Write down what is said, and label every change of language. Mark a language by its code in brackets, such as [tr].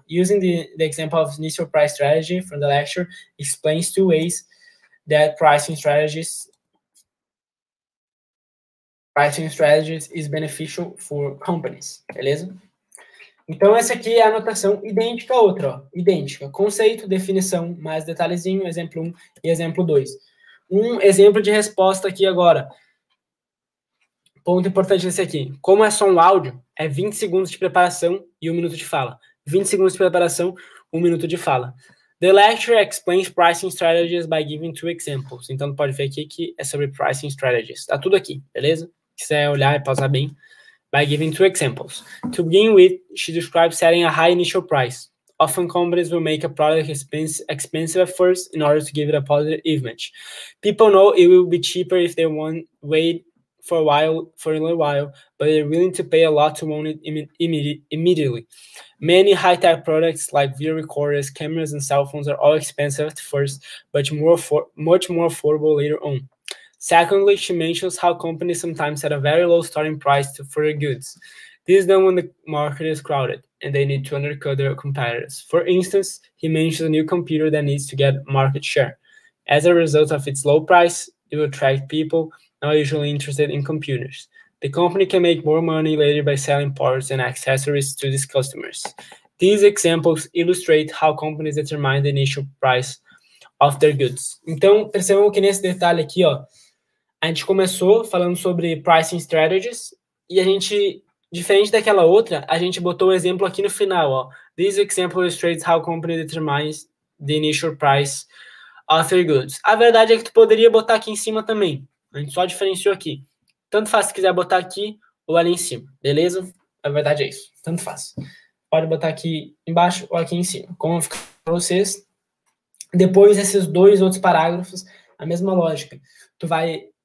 [en] Using the example of initial price strategy from the lecture, explains 2 ways that pricing strategies is beneficial for companies, beleza? [pt] Então, essa aqui é a anotação idêntica à outra, ó. Idêntica. Conceito, definição, mais detalhezinho, exemplo 1 e exemplo 2. Um exemplo de resposta aqui agora. Ponto importante desse aqui. Como é só um áudio, é 20 segundos de preparação e 1 minuto de fala. 20 segundos de preparação, 1 minuto de fala. [en] The lecturer explains pricing strategies by giving 2 examples. [pt] Então, pode ver aqui que é sobre pricing strategies. Tá tudo aqui, beleza? Se quiser olhar e pausar bem. [en] By giving 2 examples. To begin with, she describes setting a high initial price. Often companies will make a product expensive at first in order to give it a positive image. People know it will be cheaper if they want wait for a little while, but they're willing to pay a lot to own it immediately. Many high-tech products like video recorders, cameras, and cell phones are all expensive at first, but much more affordable later on. Secondly, she mentions how companies sometimes set a very low starting price for their goods. This is done when the market is crowded and they need to undercut their competitors. For instance, he mentions a new computer that needs to get market share. As a result of its low price, it will attract people not usually interested in computers. The company can make more money later by selling parts and accessories to these customers. These examples illustrate how companies determine the initial price of their goods. [pt] Então, percebam que nesse detalhe aqui, ó, a gente começou falando sobre pricing strategies e a gente, diferente daquela outra, a gente botou o exemplo aqui no final. Ó. [en] This example illustrates how company determines the initial price of their goods. [pt] A verdade é que tu poderia botar aqui em cima também. A gente só diferenciou aqui. Tanto faz se quiser botar aqui ou ali em cima. Beleza? A verdade é isso. Tanto faz. Pode botar aqui embaixo ou aqui em cima. Como fica para vocês. Depois, esses 2 outros parágrafos, a mesma lógica. Tu vai